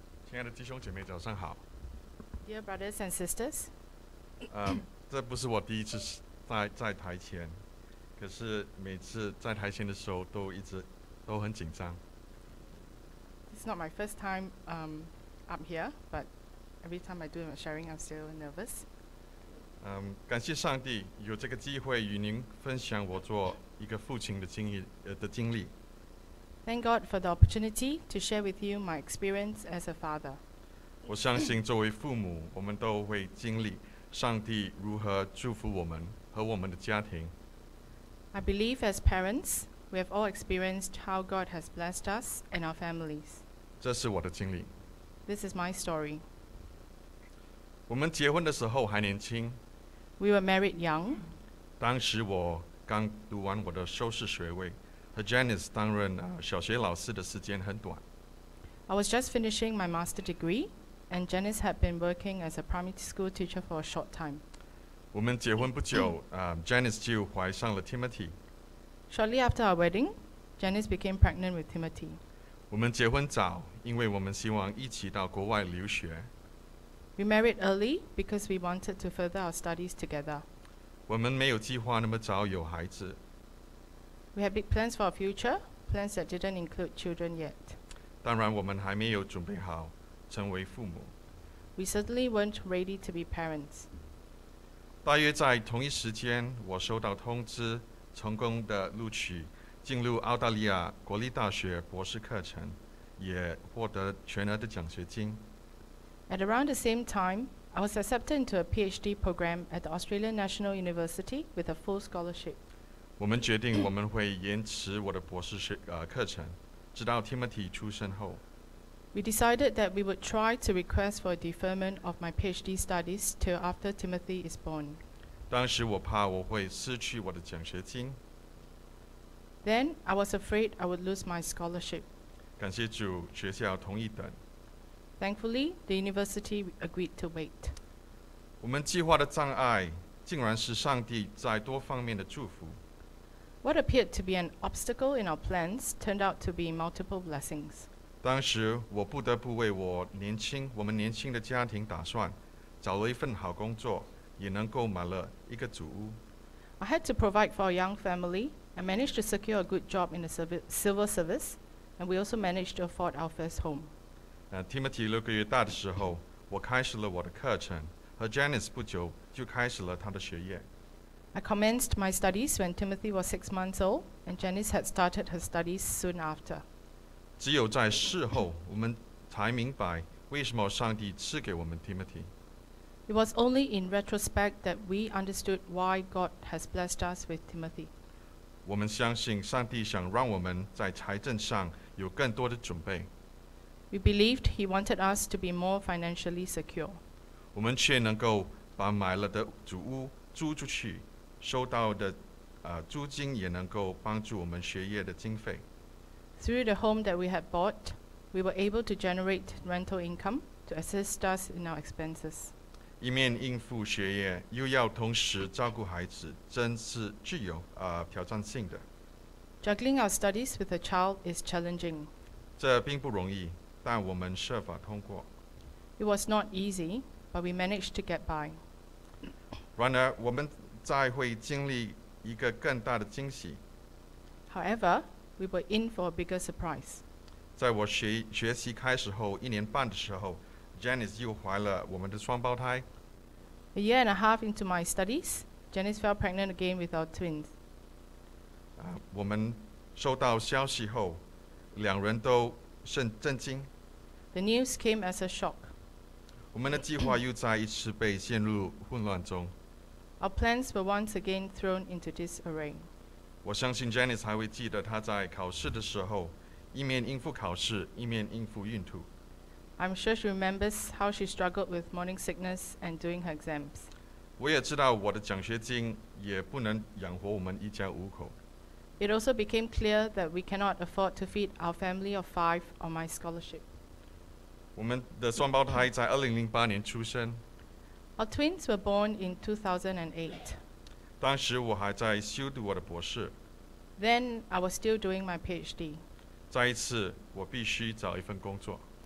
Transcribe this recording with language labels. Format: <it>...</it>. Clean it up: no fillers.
<zh>亲爱的弟兄姐妹，早上好。</zh> <en>Dear brothers and sisters,</en> <zh>这不是我第一次在台前，可是每次在台前的时候都很紧张。</zh> <en>It's not my first time up here, but every time I do my sharing, I'm still nervous.</en> <zh>感谢上帝有这个机会与您分享我做一个父亲的经历。</zh> <en>Thank God for the opportunity to share with you my experience as a father.</en> <zh>我相信作为父母，我们都会经历上帝如何祝福我们和我们的家庭。</zh> <en>I believe as parents, we have all experienced how God has blessed us and our families.</en> <zh>这是我的经历。</zh> <en>This is my story.</en> <zh>我们结婚的时候还年轻。</zh> <en>We were married young.</en> <zh>当时我刚读完我的硕士学位，和 Janice 担任小学老师的时间很短。</zh> <en>I was just finishing my master's degree, and Janice had been working as a primary school teacher for a short time.</en> <zh>我们结婚不久，Janice 就怀上了 Timothy.</zh> <en>Shortly after our wedding, Janice became pregnant with Timothy.</en> <zh>我们结婚早，因为我们希望一起到国外留学。</zh> <en>We married early because we wanted to further our studies together.</en> <zh>我们没有计划那么早有孩子。</zh> <en>We had big plans for our future, plans that didn't include children yet.</en> <zh>当然，我们还没有准备好成为父母。</zh> <en>We certainly weren't ready to be parents.</en> <zh>大约在同一时间，我收到通知，成功的录取，进入澳大利亚国立大学博士课程，也获得全额的奖学金。</zh> <en>At around the same time, I was accepted into a PhD program at the Australian National University with a full scholarship.</en> <zh>我们决定我们会延迟我的博士课程，直到 Timothy 出生后。</zh> <en>We decided that we would try to request for a deferment of my PhD studies till after Timothy is born.</en> <zh>当时我怕我会失去我的奖学金。</zh> <en>Then I was afraid I would lose my scholarship.</en> <zh>感谢主，学校同意等。</zh> <en>Thankfully, the university agreed to wait.</en> <zh>我们计划的障碍竟然是上帝在多方面的祝福。</zh> <en>What appeared to be an obstacle in our plans turned out to be multiple blessings.</en> <zh>当时我不得不为我们年轻的家庭打算，找了一份好工作，也能够买了一个祖屋。</zh> <en>I had to provide for our young family and managed to secure a good job in the civil service, and we also managed to afford our first home.</en> <zh>Timothy 六个月大的时候，我开始了我的课程，和 Janice 不久就开始了她的学业。</zh> <en>I commenced my studies when Timothy was 6 months old, and Janice had started her studies soon after.</en> <zh>只有在事后，我们才明白为什么上帝赐给我们 Timothy。</zh> <en>It was only in retrospect that we understood why God has blessed us with Timothy.</en> <zh>我们相信上帝想让我们在财政上有更多的准备。</zh> <en>We believed he wanted us to be more financially secure.</en> <zh>我们却能够把买了的祖屋租出去，收到的租金也能够帮助我们学业的经费。</zh> <en>Through the home that we had bought, we were able to generate rental income to assist us in our expenses.</en> <zh>一面应付学业，又要同时照顾孩子，真是具有挑战性的。</zh> <en>Juggling our studies with a child is challenging.</en> <zh>这并不容易。但我们设法通过。</zh> <en>It was not easy, but we managed to get by.</en> <zh>然而，我们再会经历一个更大的惊喜。</zh> <en>However, we were in for a bigger surprise.</en> <zh>在我学习开始后一年半的时候 ，Janice 又怀了我们的双胞胎。</zh> <en>A year and a half into my studies, Janice fell pregnant again with our twins.</en> <zh>我们收到消息后，两人都。震惊。</zh> <en>The news came as a shock.</en> <zh>我们的计划又再一次被陷入混乱中。</zh> <en>Our plans were once again thrown into disarray.</en> <zh>我相信 Janice 还会记得她在考试的时候，一面应付考试，一面应付孕吐。</zh> <en>I'm sure she remembers how she struggled with morning sickness and doing her exams.</en> <zh>我也知道我的奖学金也不能养活我们一家五口。</zh> <en>It also became clear that we cannot afford to feed our family of five on my scholarship.</en> <zh>我们的双胞胎在2008年出生。</zh> <en>Our twins were born in 2008.</en> <zh>当时我还在修读我的博士。</zh> <en>Then I was still doing my PhD.</en> <zh>再一次，我必须找一份工作。</zh>